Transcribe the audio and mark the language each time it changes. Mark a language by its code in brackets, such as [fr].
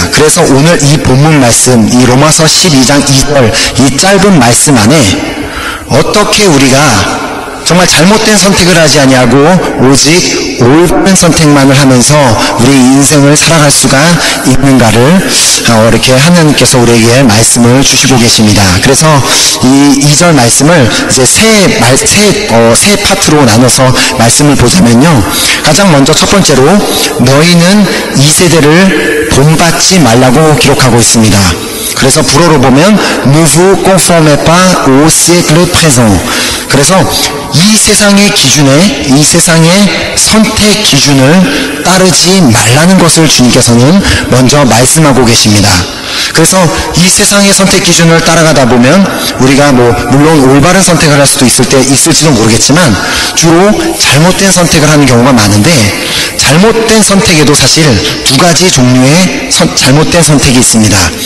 [ko] 그래서 오늘 이 본문 말씀 이 로마서 12장 2절 이 짧은 말씀 안에 어떻게 우리가 정말 잘못된 선택을 하지 아니하고 오직 옳은 선택만을 하면서 우리 인생을 살아갈 수가 있는가를 이렇게 하나님께서 우리에게 말씀을 주시고 계십니다. 그래서 이 2절 말씀을 이제 세 파트로 나눠서 말씀을 보자면요. 가장 먼저 첫 번째로 너희는 이 세대를 본받지 말라고 기록하고 있습니다. 그래서 불어로 보면 [fr] Ne vous conformez pas au siècle présent. [ko] 그래서 이 세상의 기준에 이 세상의 선택 기준을 따르지 말라는 것을 주님께서는 먼저 말씀하고 계십니다. 그래서 이 세상의 선택 기준을 따라가다 보면 우리가 물론 올바른 선택을 할 수도 있을 때 있을지도 모르겠지만 주로 잘못된 선택을 하는 경우가 많은데 잘못된 선택에도 사실 두 가지 종류의 잘못된 선택이 있습니다.